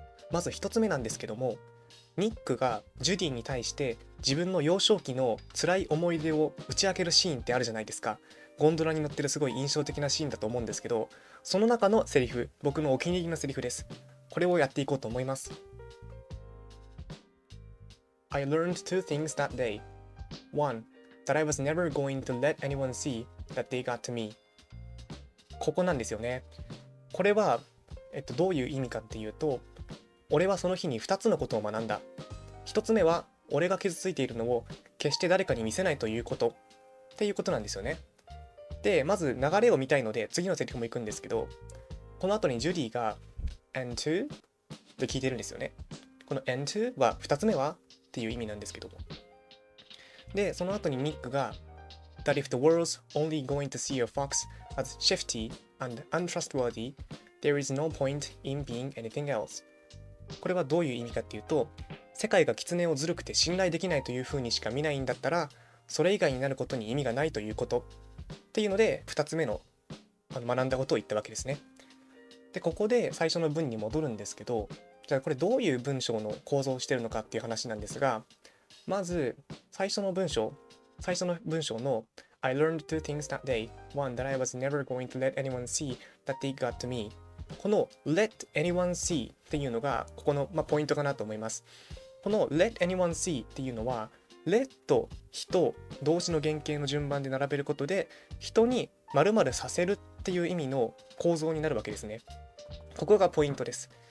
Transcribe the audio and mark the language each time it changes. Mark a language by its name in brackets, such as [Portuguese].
[Japanese] まず一つ目なんですけども、ニックがジュディに対して自分の幼少期の辛い思い出を打ち明けるシーンってあるじゃないですか。ゴンドラに乗ってるすごい印象的なシーンだと思うんですけど、その中のセリフ、僕のお気に入りのセリフです。これをやっていこうと思います。 [English] I learned two things that day. One, that I was never going to let anyone see that they got to me. [Japanese] ここなんですよね。これは、どういう意味かっていうと、俺はその日に2つのことを学んだ。 1つ目は俺が傷ついているのを決して誰かに見せないということっていうことなんですよね。で、まず流れを見たいので次のセリフも行くんですけど、この後にジュディが and to って聞いてるんですよね。この and to は2つ目はっていう意味なんですけども、で、その後にニックが that if the world's only going to see a fox as shifty and untrustworthy, there is no point in being anything else。これはどういう意味かっていうと、世界が狐をずるくて信頼できないというふうにしか見ないんだったら、それ以外になることに意味がないということっていうので2つ目の学んだことを言ったわけですね。で、ここで最初の文に戻るんですけど、じゃあこれどういう文章の構造をしてるのかっていう話なんですが、まず最初の文章の I learned two things that day. [English] One, that I was never going to let anyone see that they got to me. [Japanese] この let anyone see っていうのがここの、ポイントかなと思います。この let anyone see っていうのは、let 人動詞の原型の順番で並べることで人に〇〇させるっていう意味の構造になるわけですね。ここがポイントです。